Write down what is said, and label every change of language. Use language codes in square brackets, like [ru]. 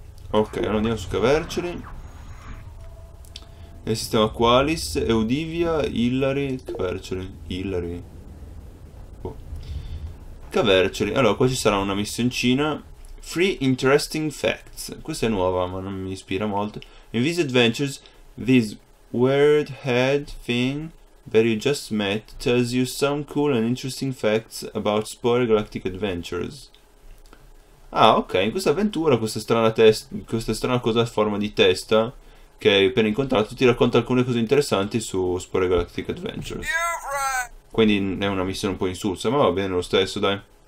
[it] Ok, allora andiamo su Caverceli. Nel sistema Qualis, Eudivia, Hillary, Caverceli, Hillary. Caverceli, allora qua ci sarà una missioncina. Free Interesting Facts. Questa è nuova, ma non mi ispira molto. [en] In these adventures, this weird head thing that you just met tells you some cool and interesting facts about Spore Galactic Adventures. [it] Ah, ok, in questa avventura, questa strana cosa a forma di testa che hai appena incontrato ti racconta alcune cose interessanti su Spore Galactic Adventures. Quindi è una missione un po' insulsa, ma va bene lo stesso, dai.